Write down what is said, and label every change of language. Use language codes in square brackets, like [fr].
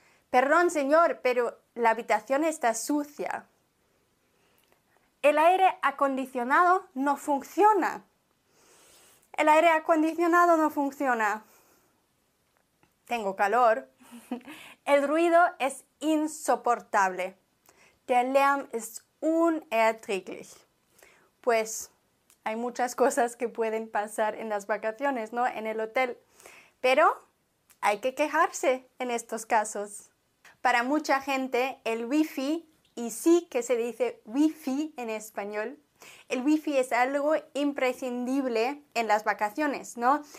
[es] Perdón, señor, pero la habitación está sucia. El aire acondicionado no funciona. El aire acondicionado no funciona. Tengo calor. El ruido es insoportable. [de] Der Lärm ist unerträglich. [es] Pues hay muchas cosas que pueden pasar en las vacaciones, ¿no? En el hotel. Pero hay que quejarse en estos casos. Para mucha gente, el wifi, y sí que se dice wifi en español, el wifi es algo imprescindible en las vacaciones, ¿no?